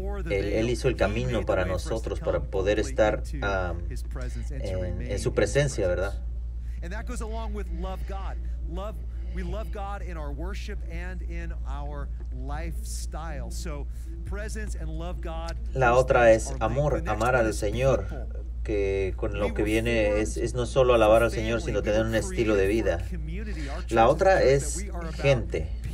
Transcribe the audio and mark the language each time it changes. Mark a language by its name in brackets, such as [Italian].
[Spanish] Él hizo el camino para nosotros, para poder estar en su presencia, ¿verdad? [English] And that goes along with love God. We love God in our worship and in our lifestyle. So presence and love God. [Spanish] La otra es amor, amar al Señor, que con lo que viene es no solo alabar al Señor, sino tener un estilo de vida. La otra es gente.